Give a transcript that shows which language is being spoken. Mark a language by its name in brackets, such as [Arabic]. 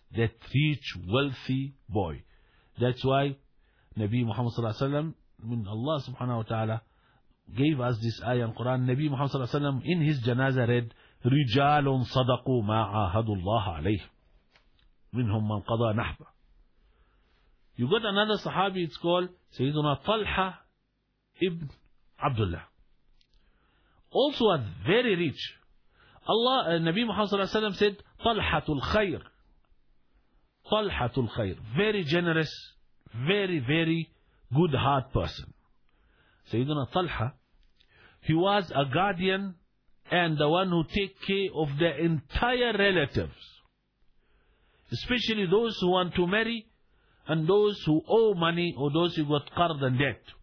[English] That rich, wealthy boy. That's why Nabi Muhammad sallallahu alaihi wasallam, when Allah subhanahu wa ta'ala gave us this ayah in Quran, Nabi Muhammad sallallahu alaihi wasallam in his janazah read, [Arabic] رِجَالٌ صَدَقُوا مَا عَاهَدُ اللَّهَ عَلَيْهِ مِنْهُمْ مَنْ قَضَى نَحْبَ. [English] You got another sahabi, it's called Sayyidina Talha ibn Abdullah. Also was very rich. [Arabic] الله النبي محمد صلى الله عليه وسلم [English] said [Arabic] طلحة الخير. [English] طلحة الخير, very generous, very very good heart person. سيدنا طلحة, he was a guardian and the one who take care of the entire relatives, especially those who want to marry and those who owe money or those who got qard and debt.